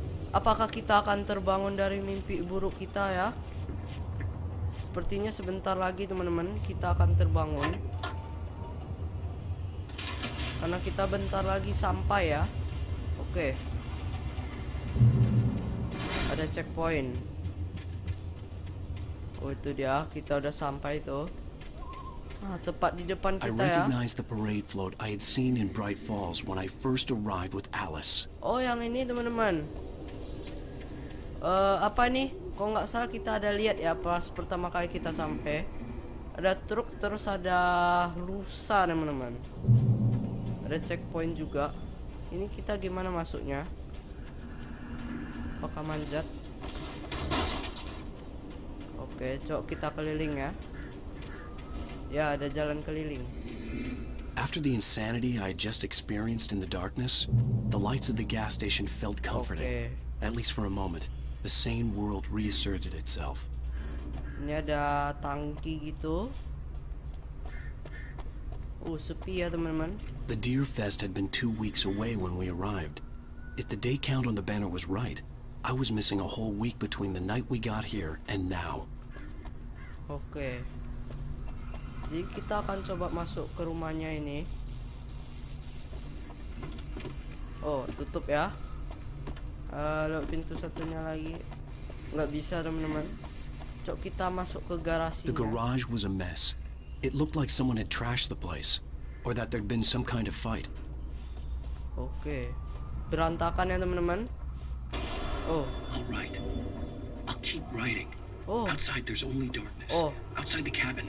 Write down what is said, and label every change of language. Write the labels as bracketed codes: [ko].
[id] Apakah kita akan terbangun dari mimpi buruk kita ya? Sepertinya sebentar lagi teman-teman kita akan terbangun karena kita bentar lagi sampai ya. Oke, ada checkpoint. Oh itu dia, kita udah sampai tuh. Ah, tepat di depan kita ya. [en] I recognize the parade float I had seen in Bright Falls when I first arrived with Alice. [id] Oh yang ini teman-teman. Apa ini? Kalau nggak salah kita ada lihat ya pas pertama kali kita sampai ada truk terus ada rusa teman-teman. Ada checkpoint juga. Ini kita gimana masuknya? Apakah manjat? Oke, cok kita keliling ya. Ya ada jalan keliling. [en] After the insanity I just experienced in the darkness, the lights of the gas station felt comforting. Okay. At least for a moment. The same world reasserted itself. [id] Ini ada tangki gitu. Sepi ya teman-teman. [en] The Deer Fest had been 2 weeks away when we arrived. If the day count on the banner was right, I was missing a whole week between the night we got here and now. [id] Oke. Jadi kita akan coba masuk ke rumahnya ini. Oh, tutup ya. Lewat pintu satunya lagi nggak bisa teman-teman. Cok kita masuk ke garasinya. [en] The garage was a mess. It looked like someone had trashed the place, or that there'd been some kind of fight. [id] Oke, berantakan ya teman-teman. Oh. [en] Alright, I'll keep writing. Oh. Outside there's only darkness. Oh. Outside the cabin.